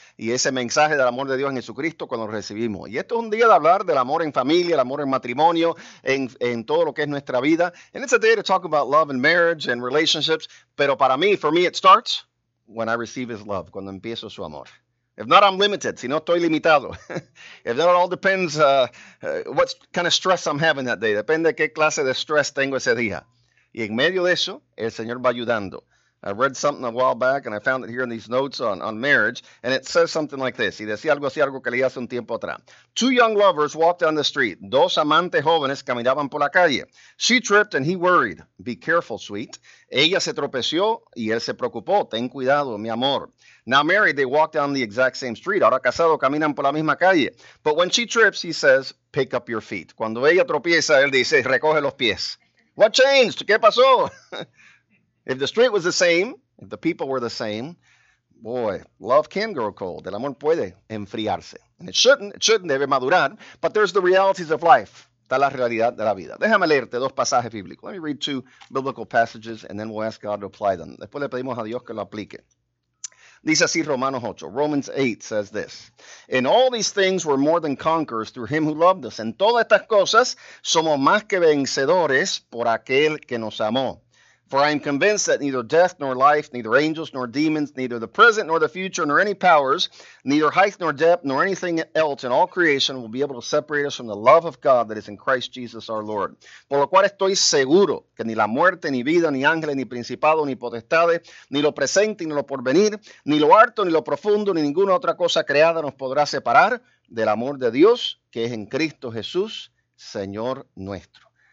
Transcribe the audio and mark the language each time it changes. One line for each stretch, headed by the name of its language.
Spanish: Y ese mensaje del amor de Dios en Jesucristo cuando lo recibimos. Y esto es un día de hablar del amor en familia, el amor en matrimonio, en todo lo que es nuestra vida.
English: And it's a day to talk about love and marriage and relationships.
Spanish: Pero para mí,
English: for me, it starts when I receive his love,
Spanish: cuando empiezo su amor.
English: If not, I'm limited.
Spanish: Si no, estoy limitado.
English: If not, it all depends what kind of stress I'm having that day.
Spanish: Depende qué clase de stress tengo ese día. Y en medio de eso, el Señor va ayudando.
English: I read something a while back, and I found it here in these notes on marriage, and it says something like this.
Spanish: Y decía algo así, algo que leí hace un tiempo atrás.
English: Two young lovers walked down the street.
Spanish: Dos amantes jóvenes caminaban por la calle.
English: She tripped, and he worried. Be careful, sweet.
Spanish: Ella se tropeció, y él se preocupó. Ten cuidado, mi amor.
English: Now married, they walk down the exact same street.
Spanish: Ahora casado, caminan por la misma calle.
English: But when she trips, he says, pick up your feet.
Spanish: Cuando ella tropieza, él dice, recoge los pies.
English: What changed?
Spanish: ¿Qué pasó?
English: If the street was the same, if the people were the same, boy, love can grow cold.
Spanish: El amor puede enfriarse.
English: And it shouldn't,
Spanish: debe madurar.
English: But there's the realities of life.
Spanish: Está la realidad de la vida. Déjame leerte dos pasajes bíblicos.
English: Let me read two biblical passages, and then we'll ask God to apply them.
Spanish: Después le pedimos a Dios que lo aplique. Dice así Romanos 8.
English: Romans 8 says this. In all these things we're more than conquerors through him who loved us.
Spanish: En todas estas cosas somos más que vencedores por aquel que nos amó.
English: For I am convinced that neither death nor life, neither angels nor demons, neither the present nor the future, nor any powers, neither height nor depth, nor anything else in all creation will be able to separate us from the love of God that is in Christ Jesus our Lord.
Spanish: Por lo cual estoy seguro que ni la muerte, ni vida, ni ángeles, ni principado, ni potestades, ni lo presente, ni lo porvenir, ni lo alto, ni lo profundo, ni ninguna otra cosa creada nos podrá separar del amor de Dios que es en Cristo Jesús, Señor nuestro.